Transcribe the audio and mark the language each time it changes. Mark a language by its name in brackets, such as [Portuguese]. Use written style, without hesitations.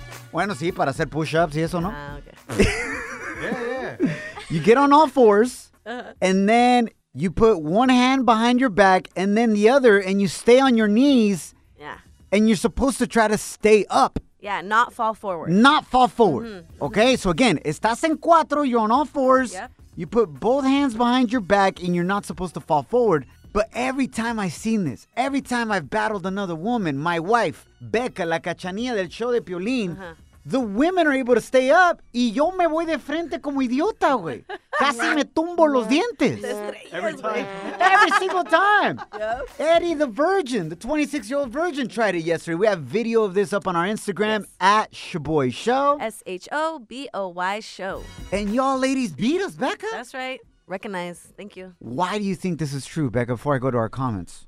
[Spanish] Bueno, sí, para hacer push-ups y eso, ¿no? [English] Okay. Yeah. You get on all fours, and then you put one hand behind your back, and then the other, and you stay on your knees, and you're supposed to try to stay up. Yeah, not fall forward. Not fall forward. Mm-hmm. Okay, so again, [Spanish] estás en cuatro, [English] you're on all fours. Yep. You put both hands behind your back and you're not supposed to fall forward. But every time I've seen this, every time I've battled another woman, my wife, Becca, [Spanish] la cachanilla del show de Piolín, [English] the women are able to stay up. [Spanish] Y yo me voy de frente como idiota, güey. Casi me tumbo los dientes. [English] Every time. Every single time. Yep. Eddie the Virgin, the 26-year-old virgin, tried it yesterday. We have video of this up on our Instagram, at Shaboy Show. S-H-O-B-O-Y Show. And y'all ladies beat us, Becca. That's right. Recognize. Thank you. Why do you think this is true, Becca, before I go to our comments?